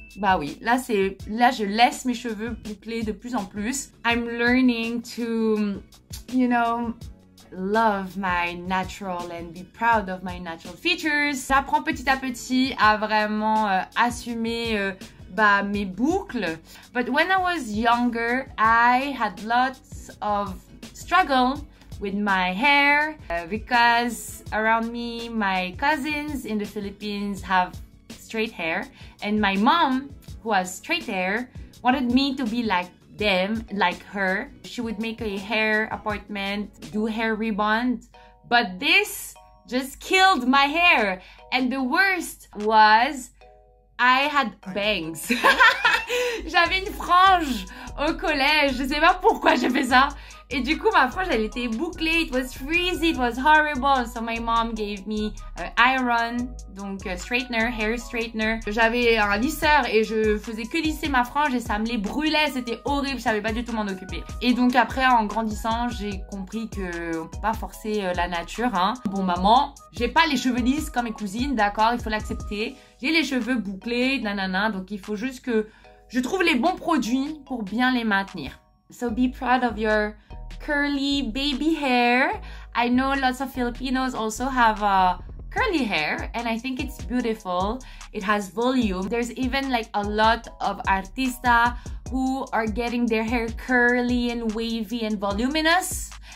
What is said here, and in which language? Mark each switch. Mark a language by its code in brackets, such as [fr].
[fr] Bah oui, là je laisse mes cheveux boucler de plus en plus. [en] I'm learning to, you know, love my natural and be proud of my natural features. [fr] J'apprends petit à petit à vraiment assumer mes boucles. [en] But when I was younger, I had lots of struggle with my hair because around me, my cousins in the Philippines have straight hair, and my mom, who has straight hair, wanted me to be like them, like her. She would make a hair appointment, do hair rebond, but this just killed my hair. And the worst was I had bangs. [fr] J'avais une frange au collège, je sais pas pourquoi j'ai fait ça. Et du coup, ma frange, elle était bouclée. [en] It was frizzy. It was horrible. So my mom gave me an iron, donc a straightener, hair straightener. [fr] J'avais un lisseur et je faisais que lisser ma frange et ça me les brûlait. C'était horrible. Je savais pas du tout m'en occuper. Et donc après, en grandissant, j'ai compris que on peut pas forcer la nature, hein. Bon, maman, j'ai pas les cheveux lisses comme mes cousines, d'accord. Il faut l'accepter. J'ai les cheveux bouclés, nanana. Donc il faut juste que je trouve les bons produits pour bien les maintenir. [en] So be proud of your curly baby hair. I know lots of Filipinos also have curly hair, and I think it's beautiful. It has volume. There's even like a lot of artistas who are getting their hair curly and wavy and voluminous.